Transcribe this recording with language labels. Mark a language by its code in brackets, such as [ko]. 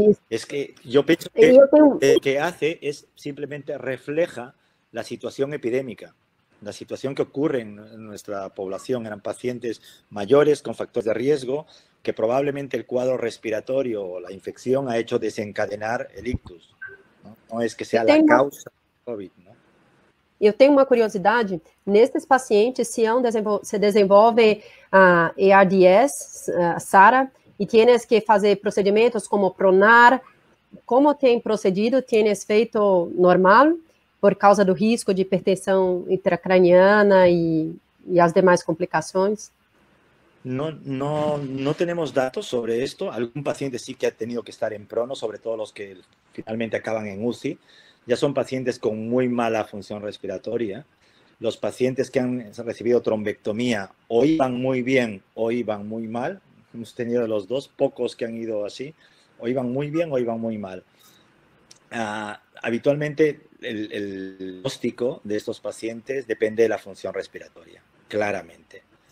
[es] Es que yo pienso que lo que hace es simplemente refleja la situación epidémica, la situación que ocurre en nuestra población. Eran pacientes mayores con factores de riesgo que probablemente el cuadro respiratorio o la infección ha hecho desencadenar el ictus. No, no es que sea la causa del COVID, ¿no? [pt] Eu tenho uma curiosidade, nesses pacientes, se, se desenvolve a ARDS, SARA, e [es] tienes que [pt] fazer procedimentos como pronar, como tem procedido, tienes feito normal, por causa do risco de hipertensão intracraniana e as demais complicações? Não temos dados sobre isso. Algum paciente sim que [es] ha tenido [pt] que estar em prono, sobretudo os que finalmente acabam em UCI. [es] Ya son pacientes con muy mala función respiratoria. Los pacientes que han recibido trombectomía o iban muy bien o iban muy mal. Hemos tenido los dos, pocos que han ido así. O iban muy bien o iban muy mal. Habitualmente el diagnóstico de estos pacientes depende de la función respiratoria, claramente.